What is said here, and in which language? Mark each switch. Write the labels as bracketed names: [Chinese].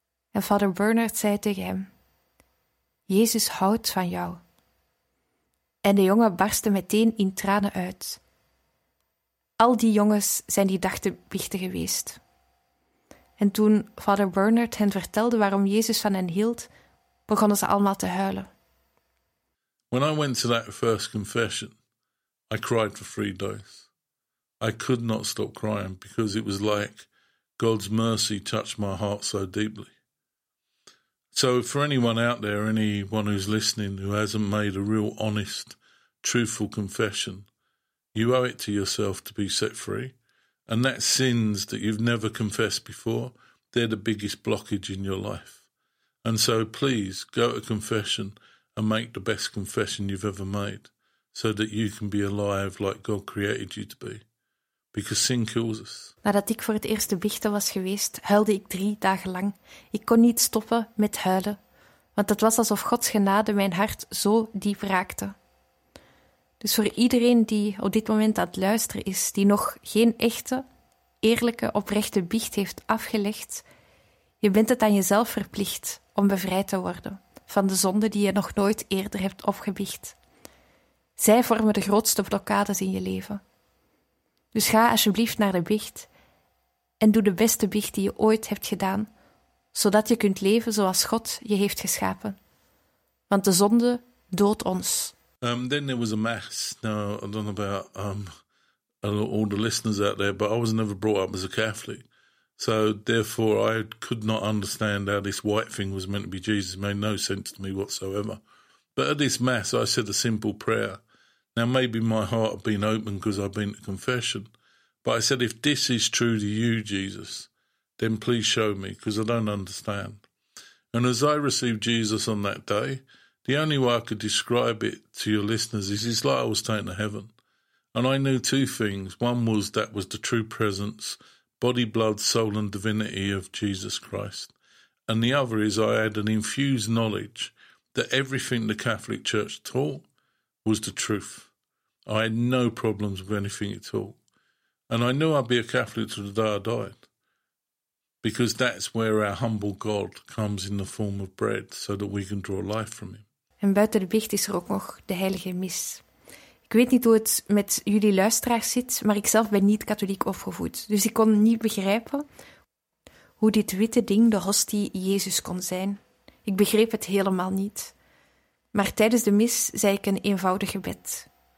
[Dutch] En Father Bernard zei tegen hem, Jezus houdt van jou. En de jongen barstte meteen in tranen uit. Al die jongens zijn die dag te biechten geweest. En toen Father Bernard hen vertelde waarom Jezus van hen hield, begonnen ze allemaal te huilen. [English] When I went to that first confession, I cried for 3 days. I could not stop crying because it was like God's mercy touched my heart so deeply. So for anyone out there, anyone who's listening who hasn't made a real honest, truthful confession, you owe it to yourself to be set free. And that sins that you've never confessed before, they're the biggest blockage in your life. And so please go to confession and make the best confession you've ever made so that you can be alive like God created you to be. Because sin kills us. [Dutch] Nadat ik voor het eerst de biechten was geweest, huilde ik 3 dagen lang. Ik kon niet stoppen met huilen, want het was alsof Gods genade mijn hart zo diep raakte. Dus voor iedereen die op dit moment aan het luisteren is, die nog geen echte, eerlijke, oprechte biecht heeft afgelegd, je bent het aan jezelf verplicht om bevrijd te worden van de zonde die je nog nooit eerder hebt opgebiecht. Zij vormen de grootste blokkades in je leven. Dus ga alsjeblieft naar de biecht en doe de beste biecht die je ooit hebt gedaan, zodat je kunt leven zoals God je heeft geschapen. Want de zonde doodt ons. [English] Then there was a mass. Now, I don't know about all the listeners out there, but I was never brought up as a Catholic. So therefore, I could not understand how this white thing was meant to be Jesus. It made no sense to me whatsoever. But at this Mass, I said a simple prayer. Now, maybe my heart had been open because I'd been to confession. But I said, if this is true to you, Jesus, then please show me because I don't understand. And as I received Jesus on that day, The only way I could describe it to your listeners is it's like I was taken to heaven. And I knew two things. One was that was the true presence, body, blood, soul and divinity of Jesus Christ. And the other is I had an infused knowledge that everything the Catholic Church taught was the truth. I had no problems with anything at all. And I knew I'd be a Catholic till the day I died. Because that's where our humble God comes in the form of bread, so that we can draw life from him. [Dutch] En buiten de biecht is er ook nog de heilige mis. Ik weet niet hoe het met jullie luisteraars zit, maar ikzelf ben niet katholiek opgevoed. Dus ik kon niet begrijpen hoe dit witte ding de hostie Jezus kon zijn. Ik begreep het helemaal niet. Maar tijdens de mis zei ik een eenvoudig gebed.